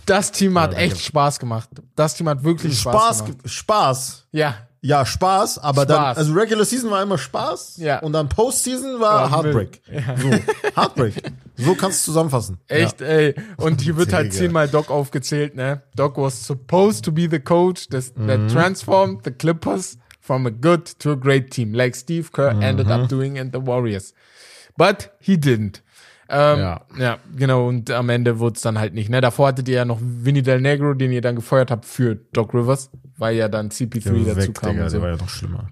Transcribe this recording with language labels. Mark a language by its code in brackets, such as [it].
[de] Das Team hat echt Spaß gemacht. Das Team hat wirklich Spaß gemacht. Spaß? Ja. Ja, Spaß, aber Spaß. Dann, also Regular Season war immer Spaß und dann Postseason war Heartbreak. Ja. So, Heartbreak. So kannst du zusammenfassen. Echt, ey. Und hier wird halt 10-mal Doc aufgezählt, ne? [en] Doc was supposed to be the coach that transformed the Clippers from a good to a great team, like Steve Kerr ended up doing in the Warriors. But he didn't. [de] Ja, genau, und am Ende wurde es dann halt nicht. Ne? Davor hattet ihr ja noch Vinny Del Negro, den ihr dann gefeuert habt für Doc Rivers, weil ja dann CP3 dazu weg, kam. Digga, und so. Der war ja noch schlimmer.